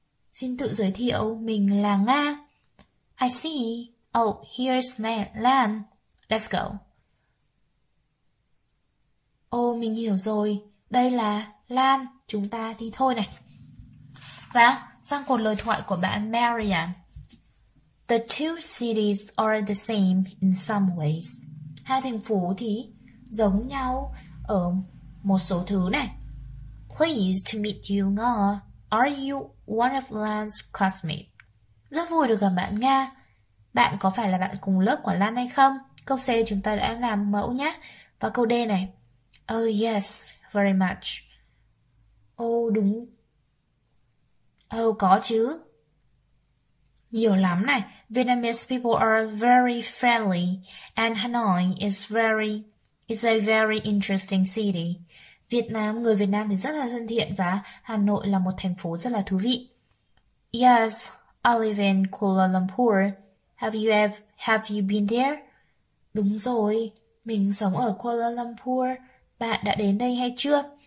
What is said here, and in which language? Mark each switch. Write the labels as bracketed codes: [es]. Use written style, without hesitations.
[vi] Xin tự giới thiệu, mình là Nga. [en] I see. Oh, here's Lan. Let's go. [vi] Oh, mình hiểu rồi. Đây là Lan. Chúng ta đi thôi này. Và sang cột lời thoại của bạn Mariam. [en] The two cities are the same in some ways. [vi] Hai thành phố thì giống nhau ở một số thứ này. [en] Pleased to meet you, Nga. Are you one of Lan's classmates? [vi] Rất vui được gặp bạn Nga. Bạn có phải là bạn cùng lớp của Lan hay không? Câu C chúng ta đã làm mẫu nhé. Và câu D này. [en] Oh yes, very much. [vi] Oh đúng. Oh, có chứ. Nhiều lắm này. [en] Vietnamese people are very friendly and Hanoi is a very interesting city. [vi] Người Việt Nam thì rất là thân thiện và Hà Nội là một thành phố rất là thú vị. [en] Yes, I live in Kuala Lumpur. Have you been there? [vi] Đúng rồi, mình sống ở Kuala Lumpur. Bạn đã đến đây hay chưa?